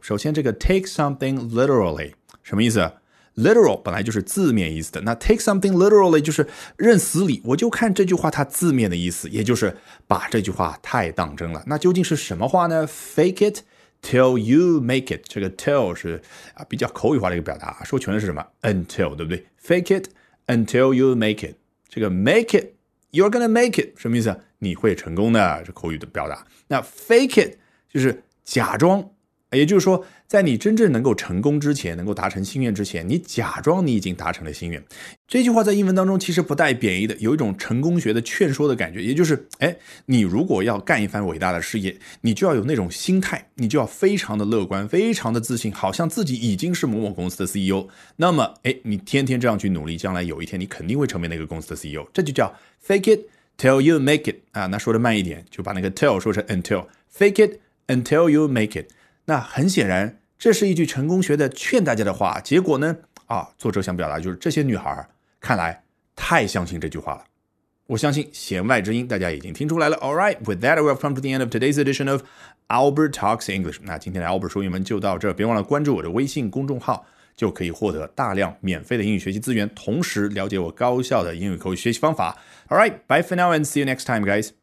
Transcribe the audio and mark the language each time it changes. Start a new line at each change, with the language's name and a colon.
Chinese: 首先这个 take something literally 什么意思？literal 本来就是字面意思的，那 take something literally 就是认死理，我就看这句话它字面的意思，也就是把这句话太当真了。那究竟是什么话呢？
English: Fake it till you make it，
Chinese: 这个 till 是比较口语化的一个表达，说全是什么？ until， 对不对？
English: Fake it until you make it，
Chinese: 这个
English: make it you're gonna make it
Chinese: 什么意思？你会成功的，是口语的表达。那 fake it 就是假装，也就是说在你真正能够成功之前，能够达成心愿之前，你假装你已经达成了心愿。这句话在英文当中其实不带贬义的，有一种成功学的劝说的感觉，也就是哎，你如果要干一番伟大的事业，你就要有那种心态，你就要非常的乐观，非常的自信，好像自己已经是某某公司的 CEO， 那么哎，你天天这样去努力，将来有一天你肯定会成为那个公司的 CEO， 这就叫
English: fake it till you make it
Chinese: 啊。那说的慢一点，就把那个 till 说成 until，
English: fake it until you make it。
Chinese: 那很显然这是一句成功学的劝大家的话，结果呢啊，作者想表达就是这些女孩看来太相信这句话了。我相信弦外之音大家已经听出来了。
English: Alright, with that we've come to the end of today's edition of Albert Talks English。
Chinese: 那今天的 Albert 说英文就到这，别忘了关注我的微信公众号，就可以获得大量免费的英语学习资源，同时了解我高效的英语口语学习方法。
English: Alright, bye for now and see you next time guys。